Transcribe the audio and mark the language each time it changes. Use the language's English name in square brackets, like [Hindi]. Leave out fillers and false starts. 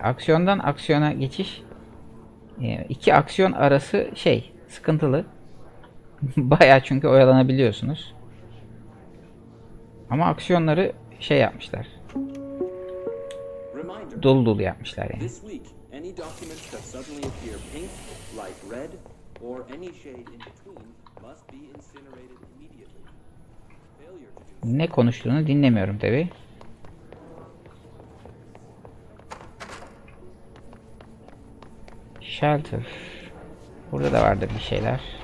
[Turkish] Aksiyondan aksiyona geçiş iki aksiyon arası şey sıkıntılı. Bayağı çünkü oyalanabiliyorsunuz. Ama aksiyonları şey yapmışlar. Dolu dolu yapmışlar yani. [English] This week, any documents that suddenly appear pink, light red, or any shade in between must be incinerated immediately. [Turkish] Ne konuştuğunu dinlemiyorum tabi. Shelter. Burada da vardı bir şeyler.